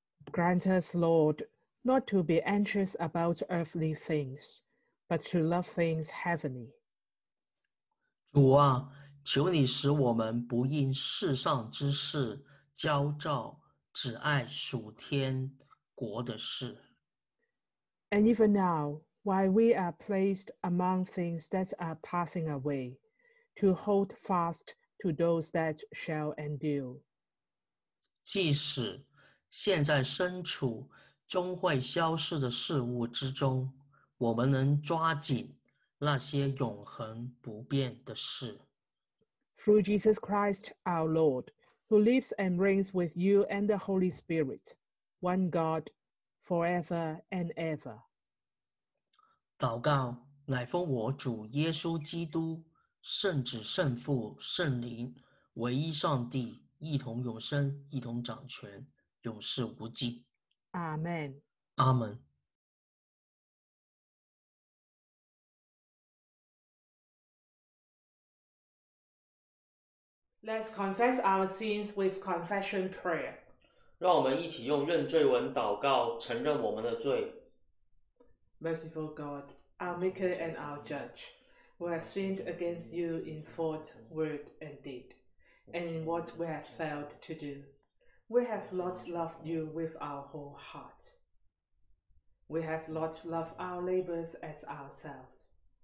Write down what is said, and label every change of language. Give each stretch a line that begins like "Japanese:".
English: Grant us, Lord, not to be anxious about earthly things, but to love things heavenly.
Chinese: 主啊，求你使我们不因世上之事焦躁，只爱属天国的事。
English: And even now, while we are placed among things that are passing away, to hold fast to those that shall endure.
Chinese: 即使现在身处终会消逝的事物之中，我们能抓紧那些永恒不变的事。
English: Through Jesus Christ, our Lord, who lives and reigns with you and the Holy Spirit, one God, forever and ever.
Chinese: 祷告，乃奉我主耶稣基督，圣子、圣父、圣灵，唯一上帝，一同永生，一同掌权。永世无尽。
English: Amen. Amen. Let's confess our sins with confession prayer.
Chinese: 让我们一起用认罪文祷告，承认我们的罪。
English: Merciful God, our Maker and our Judge, we have sinned against you in thought, word, and deed, and in what we have failed to do. We have not loved you with our whole heart. We have not loved our neighbors as ourselves.